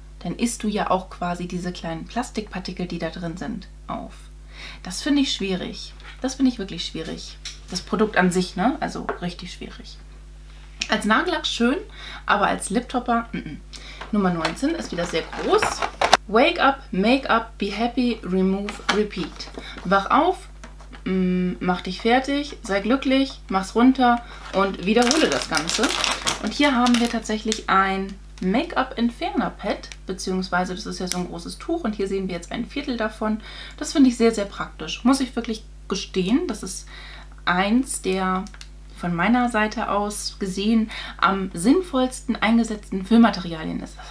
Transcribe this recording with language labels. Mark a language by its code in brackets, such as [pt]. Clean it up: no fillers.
[de] Dann isst du ja auch quasi diese kleinen Plastikpartikel, die da drin sind, auf. Das finde ich schwierig. Das finde ich wirklich schwierig. Das Produkt an sich, ne? Also richtig schwierig. Als Nagellack schön, aber als Liptopper, n-n. Nummer 19 ist wieder sehr groß. [en] Wake up, make up, be happy, remove, repeat. [de] Wach auf, mach dich fertig, sei glücklich, mach's runter und wiederhole das Ganze. Und hier haben wir tatsächlich ein Make-up-Entferner-Pad, beziehungsweise das ist ja so ein großes Tuch und hier sehen wir jetzt ein Viertel davon. Das finde ich sehr, sehr praktisch. Muss ich wirklich gestehen, das ist eins der von meiner Seite aus gesehen am sinnvollsten eingesetzten Füllmaterialien ist.